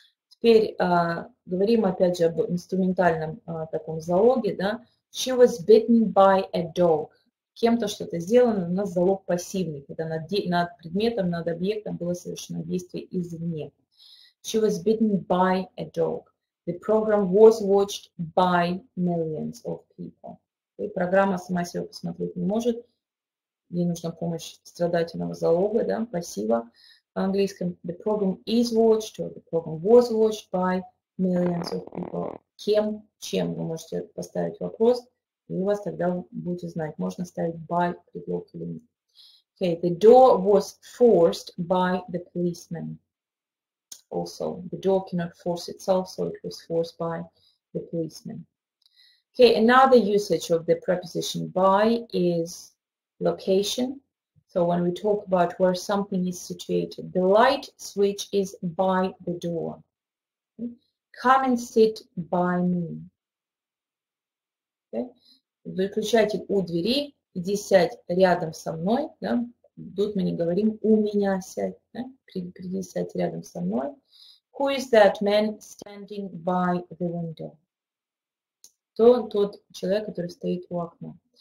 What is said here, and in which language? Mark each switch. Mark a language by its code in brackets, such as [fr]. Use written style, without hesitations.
[ru] Теперь говорим опять же об инструментальном таком залоге, да? [en] She was bitten by a dog. [ru] Кем-то что-то сделано, у нас залог пассивный, когда над предметом, над объектом было совершено действие извне. [en] She was bitten by a dog. The program was watched by millions of people. [ru] И программа сама себя посмотреть не может. Ей нужна помощь страдательного залога, да, пассива в английском. [en] The program is watched, or the program was watched by millions of people. [ru] Кем, чем вы можете поставить вопрос? И у вас тогда будете знать, можно ставить by предлог или нет. [en] Okay, the door was forced by the policeman. Also, the door cannot force itself, so it was forced by the policeman. Okay, another usage of the preposition by is location. So when we talk about where something is situated, the light switch is by the door. Okay? Come and sit by me. Okay? [ru] Выключатель у двери. Иди сядь рядом со мной. Да? Тут мы не говорим у меня сядь. Да? Приди сядь рядом со мной. [en] Who is that man standing by the window? [ru] Тот человек, который стоит у окна.